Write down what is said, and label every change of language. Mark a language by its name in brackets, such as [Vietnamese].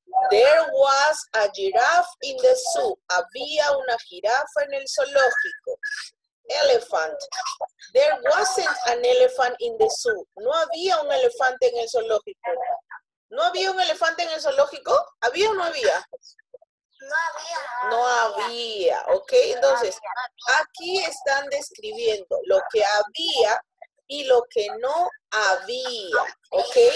[English] There was a giraffe in the zoo. [Spanish] Había una jirafa en el zoológico. [English] Elephant. There wasn't an elephant in the zoo. [Spanish] No había un elefante en el zoológico. ¿No había un elefante en el zoológico? ¿Había o no había? No había, ¿ok? Entonces, aquí están describiendo lo que había y lo que no había, ¿ok?